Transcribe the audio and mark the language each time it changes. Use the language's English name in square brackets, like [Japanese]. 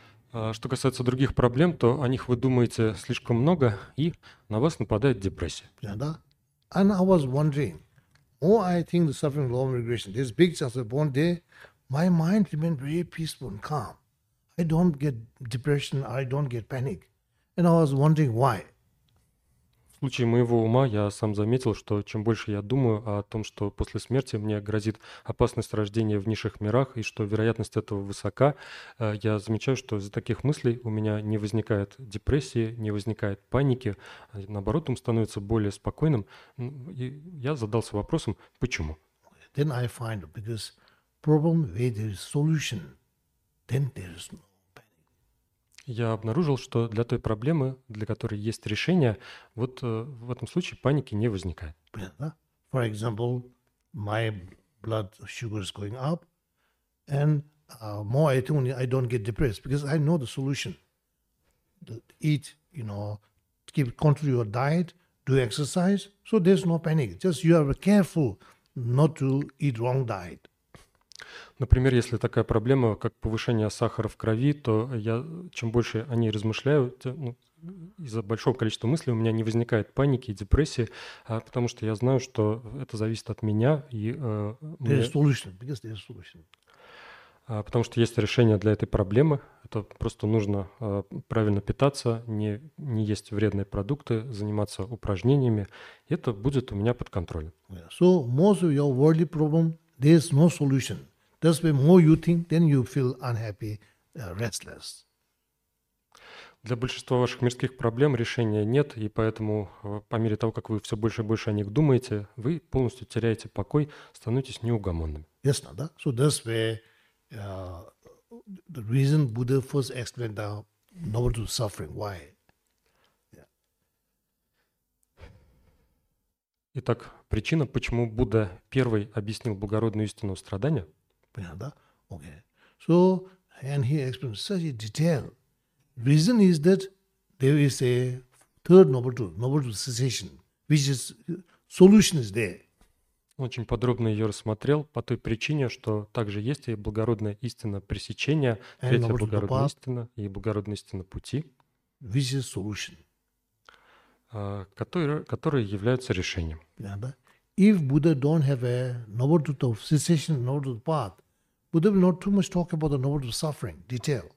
[Russian] Что касается других проблем, то о них вы думаете слишком много, и на вас нападает депрессия. Да. [English] And I was wondering, oh, I think the suffering of lower migration, this big chance of born there, my mind remained very peaceful and calm. I don't get depression, I don't get panic. And I was wondering why. [Russian] В случае моего ума я сам заметил, что чем больше я думаю о том, что после смерти мне грозит опасность рождения в низших мирах и что вероятность этого высока, я замечаю, что из-за таких мыслей у меня не возникает депрессии, не возникает паники, наоборот, ум становится более спокойным. И я задался вопросом, почему? [English] Then I find, because problem where there is solution, then there is no panic. [Russian] Я обнаружил, что для той проблемы, для которой есть решение, вот в этом случае паники не возникает. [English] For example, my blood sugar is going up, and more I eat, only I don't get depressed because I know the solution. Eat, you know, keep control your diet, do exercise, so there's no panic. Just you are careful not to eat wrong diet. [Russian] Например, если такая проблема, как повышение сахара в крови, то я чем больше о ней размышляю, из-за большого количества мыслей у меня не возникает паники и депрессии, потому что я знаю, что это зависит от меня. И, [English] there's solution, because there's solution. [Russian] Потому что есть решение для этой проблемы. Это просто нужно правильно питаться, не есть вредные продукты, заниматься упражнениями. И это будет у меня под контролем. [English] Yeah. So most of your worldly problem, there's no solution. That's why more you think, then you feel unhappy, restless. [Russian] Для большинства ваших мирских проблем решения нет, и поэтому по мере того, как вы все больше и больше о них думаете, вы полностью теряете покой, становитесь неугомонными. [English] Yes, no, [Russian] да? [English] So that's where the reason Buddha first explained the nobody to suffering. Why? [Russian] Итак, причина, почему Будда первый объяснил благородную истину страдания. Понятно, да? [English] Okay. So, and he explained such a detail. Reason is that there is a third noble truth cessation, which is solution is there. [Russian] Он очень подробно ее рассмотрел по той причине, что также есть и благородная истина пресечения, третья благородная path, истина и благородная истина пути, [English] which is solution, [Russian] которые являются решением. Понятно, да? [English] If Buddha don't have a noble truth of cessation, noble truth of path, Buddha will not too much talk about the noble truth of suffering, detail.